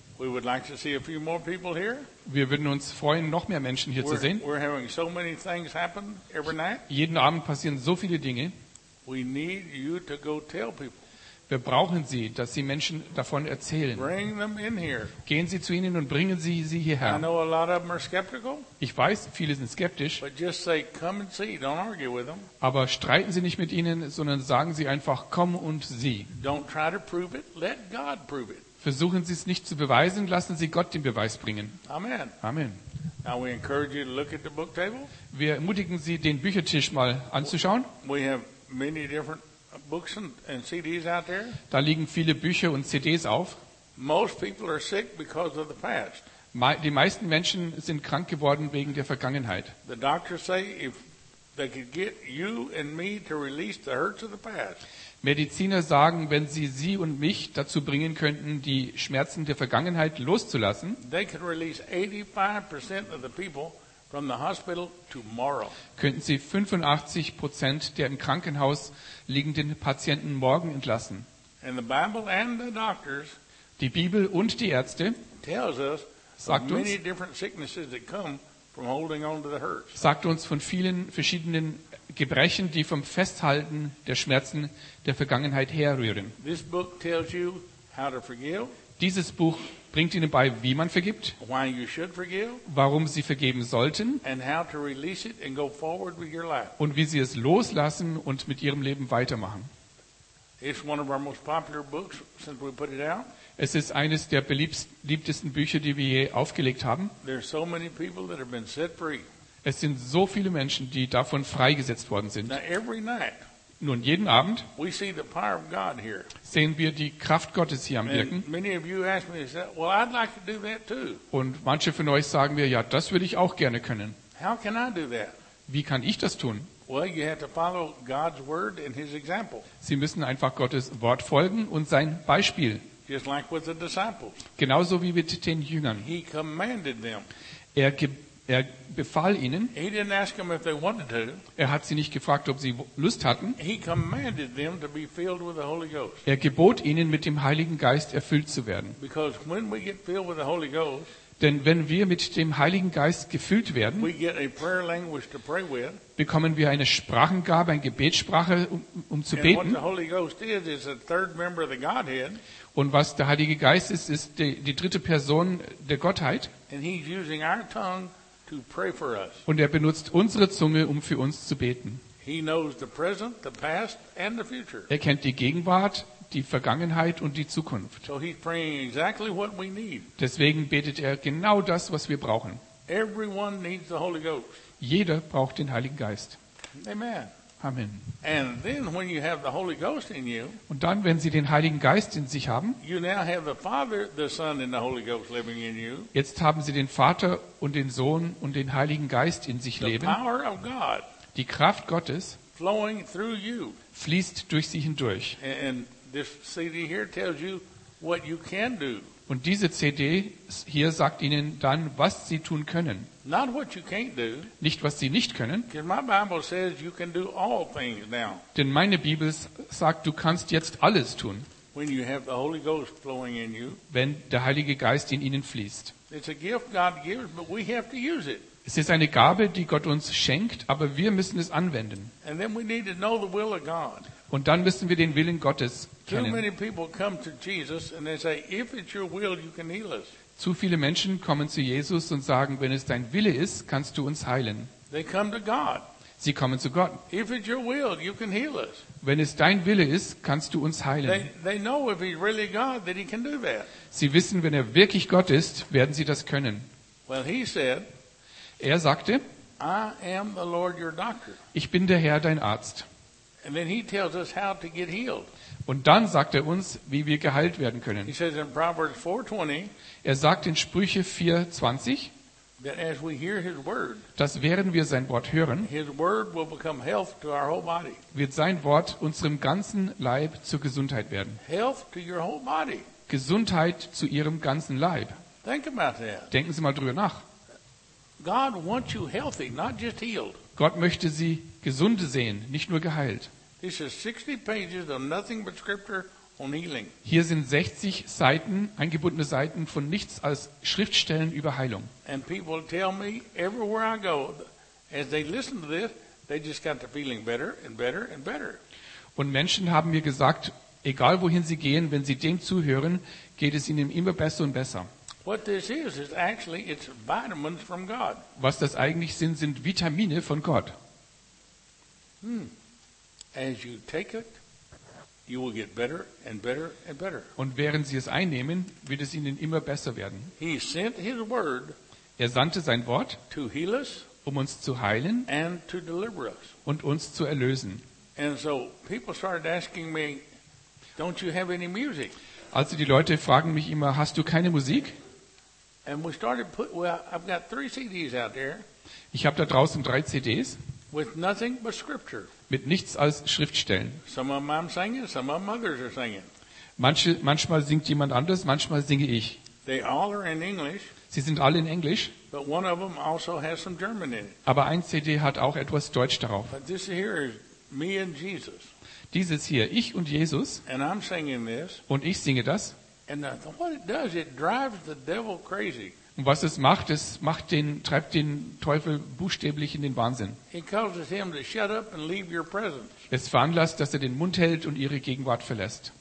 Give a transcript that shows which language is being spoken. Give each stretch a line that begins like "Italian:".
English: We would like to see a few more people here.
German: Wir würden uns freuen, noch mehr Menschen hier zu sehen.
English: We're having so many things happen every night.
German: Jeden Abend passieren so viele Dinge.
English: We need you to go tell people.
German: Wir brauchen Sie, dass Sie Menschen davon erzählen.
English: Bring them in here.
German: Gehen Sie zu ihnen und bringen Sie sie hierher.
English: I know a lot of them are skeptical.
German: Ich weiß, viele sind skeptisch.
English: But just say, come and see. Don't argue with them.
German: Aber streiten Sie nicht mit ihnen, sondern sagen Sie einfach, komm und sieh.
English: Don't try to prove it. Let God prove it.
German: Versuchen Sie es nicht zu beweisen, lassen Sie Gott den Beweis bringen.
English: Amen.
German: Amen.
English: Now we encourage you to look at the book table.
German: Wir ermutigen Sie, den Büchertisch mal anzuschauen.
English: We have many different books and CDs out there.
German: Da liegen viele Bücher und CDs auf.
English: Most people are sick because of the past.
German: Die meisten Menschen sind krank geworden wegen der Vergangenheit.
English: The doctors say if they could get you and me to release the hurts of the past.
German: Mediziner sagen, wenn sie Sie und mich dazu bringen könnten, die Schmerzen der Vergangenheit loszulassen,
English: they could release 85% of the people from the hospital tomorrow.
German: Könnten Sie 85% der im Krankenhaus liegenden Patienten morgen entlassen.
English: And the Bible and the doctors,
German: die Bibel und die Ärzte,
English: tells us,
German: sagt uns,
English: many different sicknesses that come from holding on to the hurts.
German: Sagt uns von vielen verschiedenen Gebrechen, die vom Festhalten der Schmerzen der Vergangenheit herrühren.
English: This book tells you how to forgive.
German: Dieses Buch bringt Ihnen bei, wie man vergibt,
English: why you should forgive,
German: warum Sie vergeben sollten
English: and how to release it and go forward with your life.
German: Und wie Sie es loslassen und mit Ihrem Leben weitermachen.
English: It's one of our most popular books since we put it out.
German: Es ist eines der beliebtesten Bücher, die wir je aufgelegt haben.
English: There are so many people that have been set free.
German: Es sind so viele Menschen, die davon freigesetzt worden sind.
English: Now, every night,
German: nun, jeden Abend
English: we see the power of God here.
German: Sehen wir die Kraft Gottes hier am Wirken.
English: Many of you ask me, well, I'd like to do that too.
German: Und manche von euch sagen mir, ja, das würde ich auch gerne können.
English: How can I do that?
German: Wie kann ich das tun?
English: Well, you have to follow God's word and his example.
German: Sie müssen einfach Gottes Wort folgen und sein Beispiel.
English: Just like with the disciples.
German: Genauso wie mit den Jüngern.
English: He commanded them.
German: Er befahl ihnen.
English: He didn't ask them if they wanted to.
German: Er hat sie nicht gefragt, ob sie Lust hatten.
English: He commanded them to be filled with the Holy Ghost.
German: Er gebot ihnen, mit dem Heiligen Geist erfüllt zu werden.
English: Because when we get filled with the Holy Ghost,
German: denn wenn wir mit dem Heiligen Geist gefüllt werden,
English: we get a prayer language to pray with,
German: bekommen wir eine Sprachengabe, eine Gebetssprache, um zu beten.
English: And what the Holy Ghost is a third member of the Godhead.
German: Und was der Heilige Geist ist, ist die dritte Person der Gottheit.
English: And he's using our tongue.
German: Und er benutzt unsere Zunge, um für uns zu beten.
English: He knows the present, the past, and the future.
German: Er kennt die Gegenwart, die Vergangenheit und die Zukunft.
English: So he's praying exactly what we need.
German: Deswegen betet er genau das, was wir brauchen.
English: Everyone needs the Holy Ghost.
German: Jeder braucht den Heiligen Geist.
English: Amen.
German: Amen.
English: And then when you have the Holy Ghost in you,
German: und dann, wenn Sie den Heiligen Geist in sich haben,
English: you now have the Father, the Son, and the Holy Ghost living in you.
German: Jetzt haben Sie den Vater und den Sohn und den Heiligen Geist in sich leben.
English: The power of God,
German: die Kraft Gottes,
English: flowing through you,
German: fließt durch Sie hindurch.
English: And this CD here tells you what you can do.
German: Und diese CD hier sagt Ihnen dann, was Sie tun können.
English: Not what you can't do.
German: Nicht, was Sie nicht können.
English: Because my Bible says you can do all things now.
German: Denn meine Bibel sagt, du kannst jetzt alles tun.
English: When you have the Holy Ghost flowing in you.
German: Wenn der Heilige Geist in Ihnen fließt.
English: It's a gift God gives, but we have to use it.
German: Es ist eine Gabe, die Gott uns schenkt, aber wir müssen es anwenden.
English: And then we need to know the will of God.
German: Und dann müssen wir den Willen Gottes kennen.
English: Too many people come to Jesus and they say, if it's your will, you can heal us.
German: Zu viele Menschen kommen zu Jesus und sagen, wenn es dein Wille ist, kannst du uns heilen.
English: They come to God.
German: Sie kommen zu Gott.
English: If it's your will, you can heal us.
German: Wenn es dein Wille ist, kannst du uns heilen.
English: They know if he's really God, that he can do that.
German: Sie wissen, wenn er wirklich Gott ist, werden sie das können.
English: Well, he said,
German: er sagte,
English: I am the Lord your doctor.
German: Ich bin der Herr, dein Arzt.
English: And then he tells us how to get healed.
German: Und dann sagt er uns, wie wir geheilt werden können.
English: He says in Proverbs 4:20,
German: er sagt in Sprüche 4:20,
English: that as we hear his word,
German: dass während wir sein Wort hören,
English: his word will become health to our whole body.
German: Wird sein Wort unserem ganzen Leib zur Gesundheit werden.
English: Health to your whole body.
German: Gesundheit zu Ihrem ganzen Leib.
English: Think about that.
German: Denken Sie mal drüber nach.
English: God wants you healthy, not just healed.
German: Gott möchte Sie gesunde sehen, nicht nur geheilt.
English: This is 60 pages of nothing but scripture on healing.
German: Hier sind 60 Seiten, eingebundene Seiten von nichts als Schriftstellen über Heilung.
English: And people tell me everywhere I go, as they listen to this, they just got the feeling better and better and better.
German: Und Menschen haben mir gesagt, egal wohin sie gehen, wenn sie dem zuhören, geht es ihnen immer besser und besser.
English: What this is actually it's vitamins from God.
German: Was das eigentlich sind, sind Vitamine von Gott.
English: As you take it, you will get better and better and better.
German: Und während sie es einnehmen, wird es ihnen immer besser werden.
English: He sent his word.
German: Er sandte sein Wort,
English: to heal us,
German: um uns zu heilen
English: and to deliver us.
German: Und uns zu erlösen.
English: And so people started asking me, don't you have any music?
German: Also die Leute fragen mich immer, hast du keine Musik?
English: And we started put, well, I've got 3 CDs out there.
German: Ich habe da draußen 3 CDs.
English: With nothing but scripture.
German: Mit nichts als Schriftstellen.
English: Some of them I'm singing, some of them others are singing.
German: Manchmal singt jemand anders, manchmal singe ich.
English: They all are in English.
German: Sie sind alle in Englisch.
English: But one of them also has some German in it.
German: Aber ein CD hat auch etwas Deutsch darauf.
English: But this here is me and Jesus.
German: Dieses hier, ich und Jesus,
English: and I'm singing this,
German: und ich singe das.
English: And what it does, it drives the devil crazy.
German: Und was es macht, es macht den, treibt den Teufel buchstäblich in den Wahnsinn.
English: It causes him to shut up and leave your presence.
German: Es veranlasst, dass er den Mund hält und ihre Gegenwart verlässt.